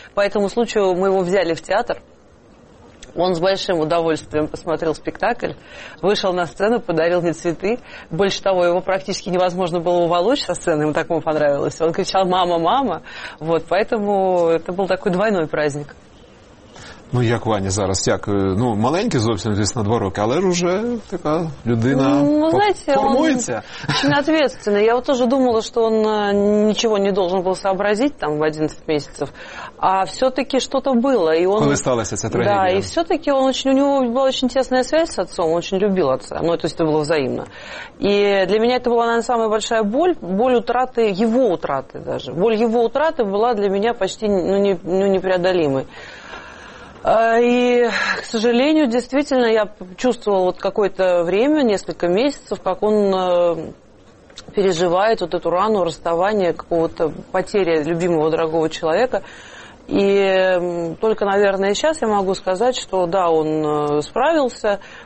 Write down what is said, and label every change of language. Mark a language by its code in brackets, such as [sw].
[ru] По этому случаю мы его взяли в театр. Он с большим удовольствием посмотрел спектакль, вышел на сцену, подарил мне цветы. Больше того, его практически невозможно было уволочь со сцены, ему так ему понравилось. Он кричал «мама, мама». Вот, поэтому это был такой двойной праздник. [uk] Ну, як Ваня зараз? Як? Ну, маленький зовсім, звісно, 2 роки, але вже така людина формується. Він відповідальний. Я теж думала, що він нічого не повинен був зрозуміти там в 11 місяців, а все-таки щось було. Коли сталася ця трагедія? Так, і все-таки у нього була дуже тісна зв'язка з отцом, він дуже любив отця, тобто це було взаємно. І для мене це була, мабуть, найбільша боль втрати, його втрати навіть. Боль його втрати була для мене майже непреодолимою. [ru] И, к сожалению, действительно, я чувствовала какое-то время, несколько месяцев, как он переживает эту рану расставания, какого-то потери любимого дорогого человека. И только, наверное, сейчас я могу сказать, что да, он справился.